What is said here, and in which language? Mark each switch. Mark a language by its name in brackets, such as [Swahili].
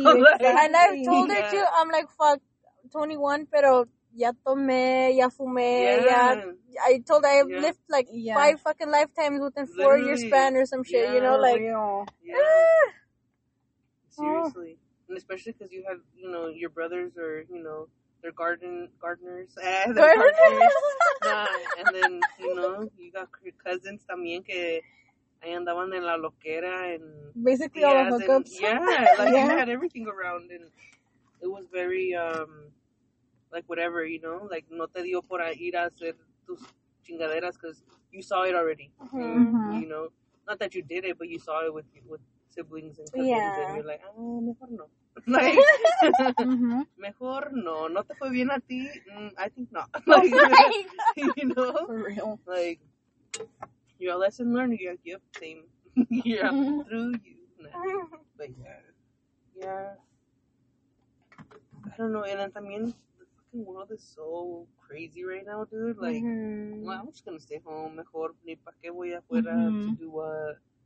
[English] Like, and I've told her, too, I'm like, fuck, 21, [Spanish] pero ya tomé, ya fumé, [English] I told her, I've lived, like, 5 fucking lifetimes within 4-year span or some shit, you know, like... Seriously. And especially because you have, you know, your brothers are, you know, they're gardeners. Gardeners. And then, you know, you got cousins [Spanish] también que ahí andaban en la loquera. [English] And basically all the hookups. You had everything around. And it was very, like, whatever, you know? [Spanish] Like, no te dio por ir a hacer tus chingaderas [English] because you saw it already. You know? Not that you did it, but you saw it with siblings and cousins. Yeah. And you're like, ah, [Spanish] mejor no. [English] Like, [Spanish] mejor no, no te fue bien a ti. [English] I think not. Like, you know, for real. Like, you're a lesson learned. You're a gift. Same. through you. Nah. But I don't know. And then, también, the fucking world is so crazy right now, dude. Like, well, I'm just gonna stay home. [Spanish] Mejor ni pa qué voy afuera [English] to do what.